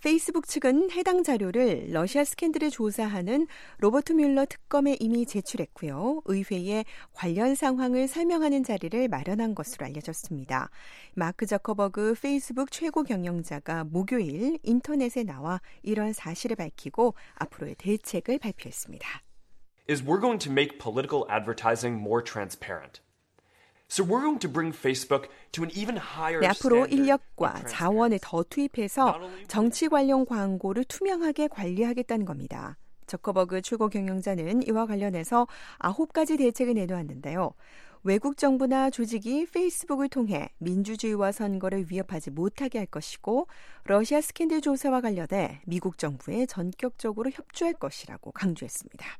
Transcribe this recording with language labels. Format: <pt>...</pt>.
<ko>페이스북 측은 해당 자료를 러시아 스캔들을 조사하는 로버트 뮬러 특검에 이미 제출했고요. 의회에 관련 상황을 설명하는 자리를 마련한 것으로 알려졌습니다. 마크 저커버그 페이스북 최고 경영자가 목요일 인터넷에 나와 이런 사실을 밝히고 앞으로의 대책을 발표했습니다.</ko> <en>Is we're going to make political advertising more transparent. So we're going to bring Facebook to an even higher standard.</en> <ko>앞으로 인력과 자원을 더 투입해서 정치 관련 광고를 투명하게 관리하겠다는 겁니다. 저커버그 최고 경영자는 이와 관련해서 9가지 대책을 내놓았는데요. 외국 정부나 조직이 페이스북을 통해 민주주의와 선거를 위협하지 못하게 할 것이고 러시아 스캔들 조사와 관련해 미국 정부에 전격적으로 협조할 것이라고 강조했습니다.</ko>